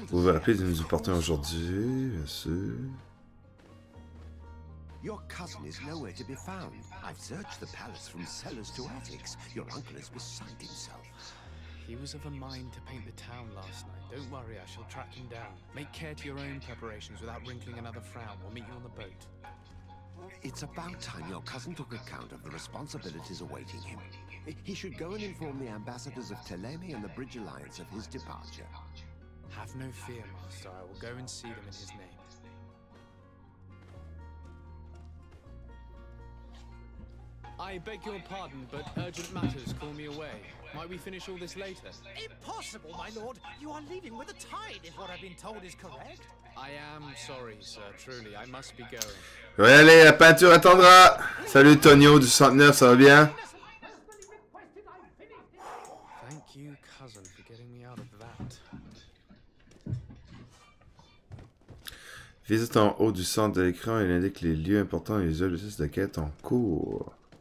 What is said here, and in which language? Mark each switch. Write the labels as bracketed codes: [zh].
[fr] Vous vous rappelez de nous apporter aujourd'hui, bien sûr. [en] Your cousin is nowhere to be found. I've searched the palace from cellars to attics. Your uncle is beside himself. He was of a mind to paint the town last night. Don't worry, I shall track him down. Make care to your own preparations without wrinkling another frown. We'll meet you on the boat. It's about time your cousin took account of the responsibilities awaiting him. He should go and inform the ambassadors of Telemi and the Bridge Alliance of his departure. Have no fear, Master. I will go and see them in his name. I beg your pardon, but urgent matters call me away. Might we finish all this later? Impossible, my lord! You are leaving with the tide, if what I've been told is correct. I am sorry, sir. Truly, I must be going. [fr] Ouais, allez, la peinture attendra! Salut, Tonio du 109, ça va bien? [en] Thank you, cousin, for getting me out of that. [fr] Visite en haut du centre de l'écran, il indique les lieux importants et les objectifs de quête en cours.